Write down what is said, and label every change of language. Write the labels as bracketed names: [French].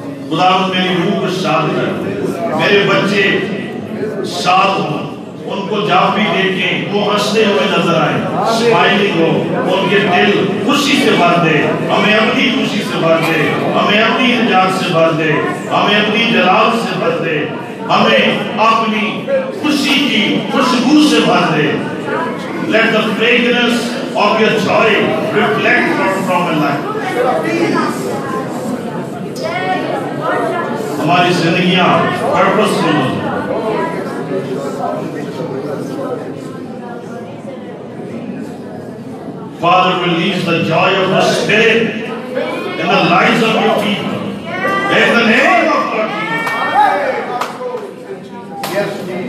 [Urdu] خدا میری روح کو شاد کر، میرے بچے شاد ہوں، ان کو جب بھی دیکھیں وہ ہنستے ہوئے نظر آئے، سمائلنگ ہو، ان کے دل خوشی سے بھر دے، ہمیں اپنی خوشی سے بھر دے، ہمیں اپنی انجاز سے بھر دے، ہمیں اپنی جلال سے بھر دے، ہمیں اپنی خوشی کی خوشبو سے بھر دے. [English] Let the fragrance of your joy reflect from your life. [Urdu] ہماری زندگیاں پرپس فل ہوں. [English] Father release the joy of the spirit in the lives of your people in the name of the Jesus.